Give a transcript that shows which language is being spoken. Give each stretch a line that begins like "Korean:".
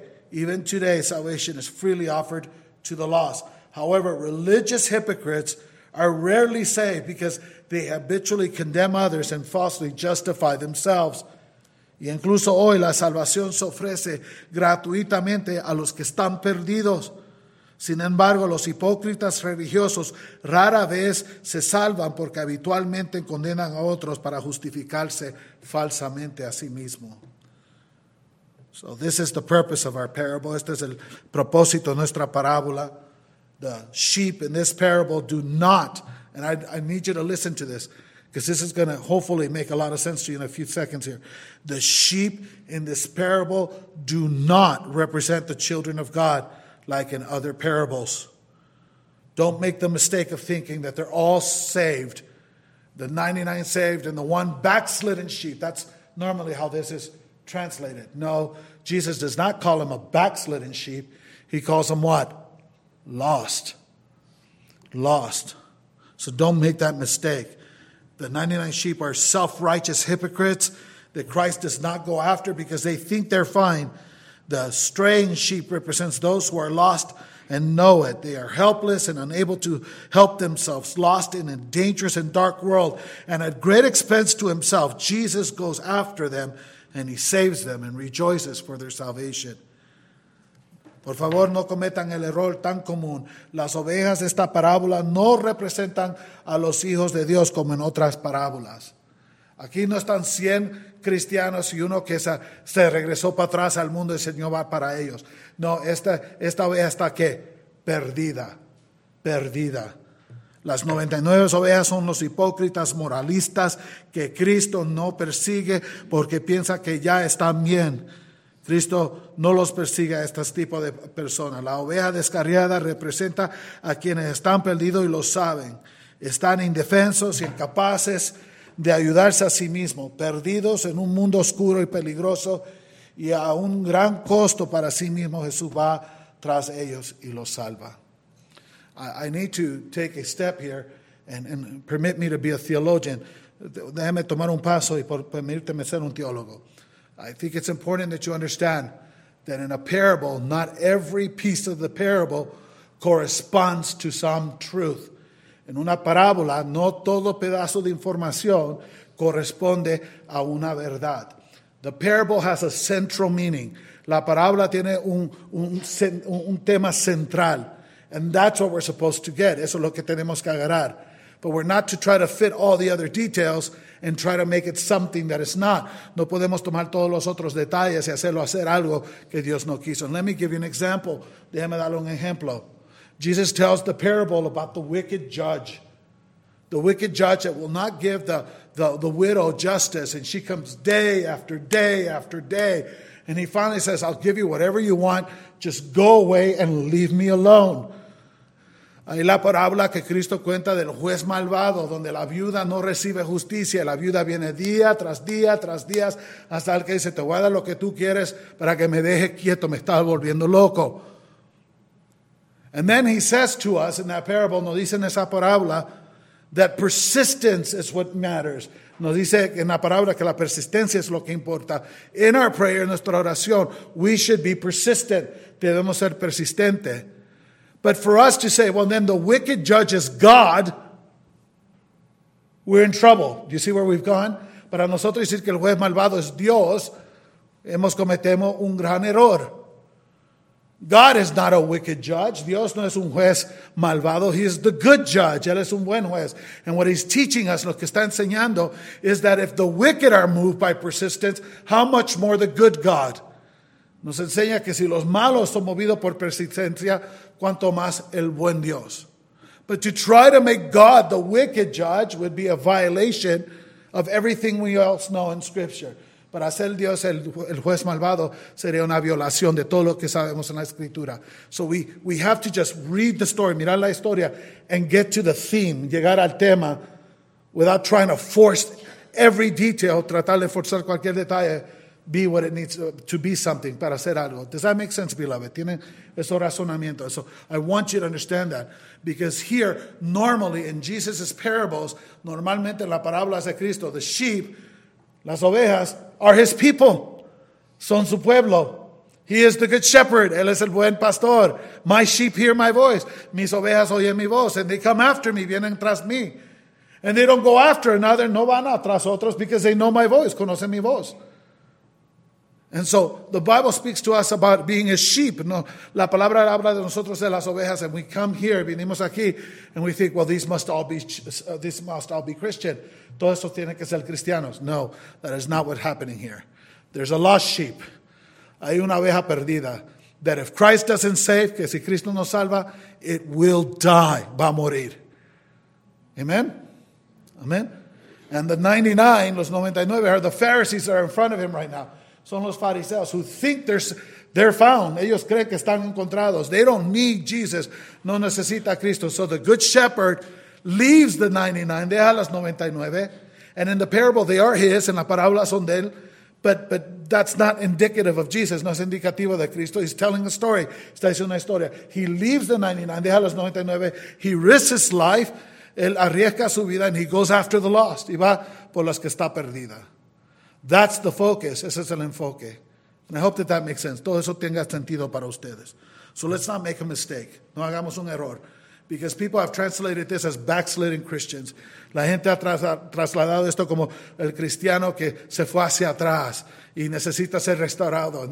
English: Even today, salvation is freely offered to the lost. However, religious hypocrites are rarely saved because they habitually condemn others and falsely justify themselves.
Spanish: Y incluso hoy la salvación se ofrece gratuitamente a los que están perdidos. Sin embargo, los hipócritas religiosos rara vez se salvan porque habitualmente condenan a otros para justificarse falsamente a sí mismo.
English: So this is the purpose of our parable.
Spanish: Este es el propósito de nuestra parábola.
English: The sheep in this parable do not, and I need you to listen to this, because this is going to hopefully make a lot of sense to you in a few seconds here. The sheep in this parable do not represent the children of God like in other parables. Don't make the mistake of thinking that they're all saved. The 99 saved and the one backslidden sheep. That's normally how this is translated. No, Jesus does not call him a backslidden sheep. He calls him what? Lost. Lost. So don't make that mistake. The 99 sheep are self-righteous hypocrites that Christ does not go after because they think they're fine. The straying sheep represents those who are lost and know it. They are helpless and unable to help themselves, lost in a dangerous and dark world. And at great expense to himself, Jesus goes after them and he saves them and rejoices for their salvation.
Spanish: Por favor, no cometan el error tan común. Las ovejas de esta parábola no representan a los hijos de Dios como en otras parábolas. Aquí no están 100 cristianos y uno que se regresó para atrás al mundo y el Señor va para ellos. No, esta oveja está ¿qué? Perdida. Perdida. Las 99 ovejas son los hipócritas moralistas que Cristo no persigue porque piensa que ya están bien. Cristo no los persigue a este tipo de personas. La oveja descarriada representa a quienes están perdidos y lo saben. Están indefensos y incapaces de ayudarse a sí mismos, perdidos en un mundo oscuro y peligroso y a un gran costo para sí mismo. Jesús va tras ellos y los salva.
English: I need to take a step here and permit me to be a theologian.
Spanish: Déjame tomar un paso y permíteme ser un teólogo.
English: I think it's important that you understand that in a parable, not every piece of the parable corresponds to some truth.
Spanish: En una parábola, no todo pedazo de información corresponde a una verdad.
English: The parable has a central meaning.
Spanish: La parábola tiene un tema central.
English: And that's what we're supposed to get.
Spanish: Eso es lo que tenemos que agarrar.
English: But we're not to try to fit all the other details and try to make it something that it's not.
Spanish: No podemos tomar todos los otros detalles y hacerlo hacer algo que Dios no quiso.
English: And let me give you an example.
Spanish: Déjame darle un ejemplo.
English: Jesus tells the parable about the wicked judge. The wicked judge that will not give the widow justice. And she comes day after day after day. And he finally says, I'll give you whatever you want. Just go away and leave me alone.
Spanish: Ahí la parábola que Cristo cuenta del juez malvado, donde la viuda no recibe justicia. La viuda viene día tras día tras días hasta el que dice, te voy a dar lo que tú quieres para que me deje quieto, me estás volviendo loco.
English: And then he says to us in that parable,
Spanish: nos dice en esa parábola,
English: That persistence is what matters.
Spanish: Nos dice en la palabra que la persistencia es lo que importa.
English: In our prayer,
Spanish: en nuestra oración,
English: we should be persistent.
Spanish: Debemos ser persistente.
English: But for us to say, well, then the wicked judge is God, we're in trouble. Do you see where we've gone?
Spanish: Para nosotros decir que el juez malvado es Dios, hemos cometido un gran error.
English: God is not a wicked judge.
Spanish: Dios no es un juez malvado.
English: He is the good judge.
Spanish: Él es un buen juez.
English: And what he's teaching us,
Spanish: lo que está enseñando,
English: is that if the wicked are moved by persistence, how much more the good God?
Spanish: Nos enseña que si los malos son movidos por persistencia, cuanto más el buen Dios.
English: But to try to make God the wicked judge would be a violation of everything we else know in Scripture.
Spanish: Para hacer Dios el juez malvado sería una violación de todo lo que sabemos en la Escritura.
English: So we have to just read the story,
Spanish: mirar la historia,
English: and get to the theme,
Spanish: llegar al tema,
English: without trying to force every detail,
Spanish: tratar de forzar cualquier detalle,
English: be what it needs to be something,
Spanish: para hacer algo.
English: Does that make sense, beloved?
Spanish: ¿Tiene ese razonamiento?
English: So I want you to understand that. Because here, normally, in Jesus' parables,
Spanish: normalmente en las parábolas de Cristo,
English: the sheep,
Spanish: las ovejas,
English: are his people.
Spanish: Son su pueblo.
English: He is the good shepherd.
Spanish: Él es el buen pastor.
English: My sheep hear my voice.
Spanish: Mis ovejas oyen mi voz.
English: And they come after me.
Spanish: Vienen tras mí.
English: And they don't go after another.
Spanish: No van tras otros
English: because they know my voice.
Spanish: Conocen mi voz.
English: And so the Bible speaks to us about being a sheep.
Spanish: No, la palabra habla de nosotros de las ovejas.
English: And we come here,
Spanish: venimos aquí,
English: and we think, well, these must all be Christian.
Spanish: Todo eso tiene que ser cristianos.
English: No, that is not what's happening here. There's a lost sheep.
Spanish: Hay una oveja perdida.
English: That if Christ doesn't save,
Spanish: que si Cristo no salva,
English: it will die.
Spanish: Va a morir.
English: Amen? Amen? And the 99,
Spanish: los 99,
English: are the Pharisees that are in front of him right now.
Spanish: Son los fariseos
English: who think they're found.
Spanish: Ellos creen que están encontrados.
English: They don't need Jesus.
Spanish: No necesita Cristo.
English: So the good shepherd leaves the 99.
Spanish: Deja las 99.
English: And in the parable, they are his.
Spanish: En la parábola son de él.
English: But that's not indicative of Jesus.
Spanish: No es indicativo de Cristo.
English: He's telling a story.
Spanish: Está diciendo una historia.
English: He leaves the 99.
Spanish: Deja las 99.
English: He risks his life.
Spanish: Él arriesga su vida.
English: And he goes after the lost.
Spanish: Y va por las que está perdida.
English: That's the focus.
Spanish: Ese es el enfoque.
English: And I hope that makes sense.
Spanish: Todo eso tenga sentido para ustedes.
English: So let's not make a mistake.
Spanish: No hagamos un error.
English: Because people have translated this as backsliding Christians.
Spanish: La gente ha trasladado esto como el cristiano que se fue hacia atrás y necesita ser restaurado.